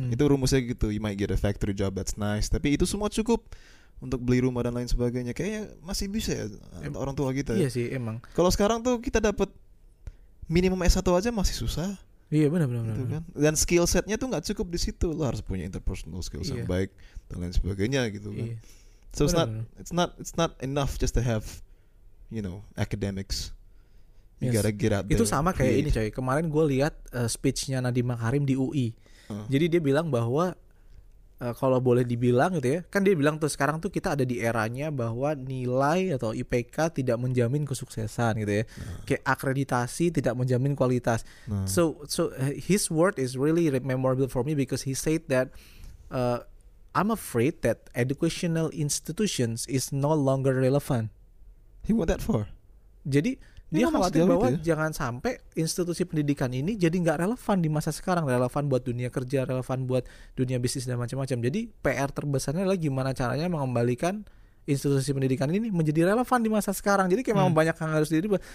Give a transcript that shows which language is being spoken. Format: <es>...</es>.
<id>Itu rumusnya gitu,</id> <en>you might get a factory job, that's nice.</en> <id>Tapi itu semua cukup untuk beli rumah dan lain sebagainya. Kayaknya masih bisa ya orang tua kita. Iya sih, emang. Kalau sekarang tuh kita dapat minimum S1 aja masih susah. Iya benar-benar. Gitu kan? Dan skill setnya tuh gak cukup di situ. Lo harus punya interpersonal skills yang baik dan lain sebagainya gitu kan.</id> <en>So it's not enough just to have, you know, academics. You gotta get out there.</en> <id>Itu sama kayak ini coy. Kemarin gue lihat speechnya Nadiem Makarim di UI. Jadi dia bilang bahwa kalau boleh dibilang gitu ya, kan dia bilang tuh sekarang tuh kita ada di eranya bahwa nilai atau IPK tidak menjamin kesuksesan gitu ya. Kayak akreditasi tidak menjamin kualitas.</id> <en>So his word is really memorable for me because he said that I'm afraid that educational institutions is no longer relevant. He want that for?</en> <id>Jadi dia khawatir bahwa jangan sampai institusi pendidikan ini jadi nggak relevan di masa sekarang, relevan buat dunia kerja, relevan buat dunia bisnis dan macam-macam. Jadi PR terbesarnya adalah gimana caranya mengembalikan institusi pendidikan ini menjadi relevan di masa sekarang. Jadi kayak memang banyak yang harus dirubah.</id>